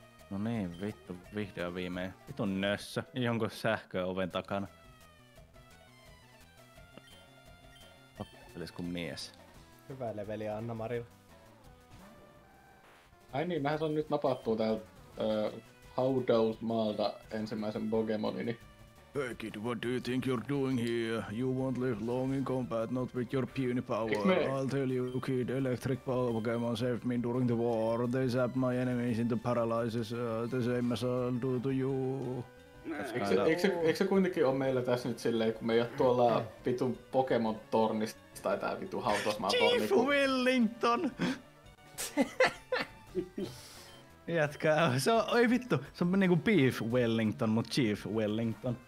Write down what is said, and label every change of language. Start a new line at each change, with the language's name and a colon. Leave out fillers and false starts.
Finnish: No niin, vittu, vihdoin viimein. Vitun nössö, jonkun sähköä oven takana. Olis kun mies. Hyvää leveliä Anna-Marilla. Ai niin, mähän sun nyt napattuu täältä Haudous-maalta ensimmäisen Pokemonini.
English: Hey kid, what do you think you're doing here? You won't live long in combat, not with your puny power. I'll tell you kid, electric Pokemon saved me during the war. They zap my enemies into paralysis. The same as I'll do to you.
Finnish: Eikö se kuitenkin ole meillä tässä nyt silleen, kun me ei ole tuolla vitun Pokemon-tornista tai tää vitun Hautausmaa-torni? Chief Wellington! Jätkä, se on, oi vittu, se on niinku Beef Wellington, mut Chief Wellington.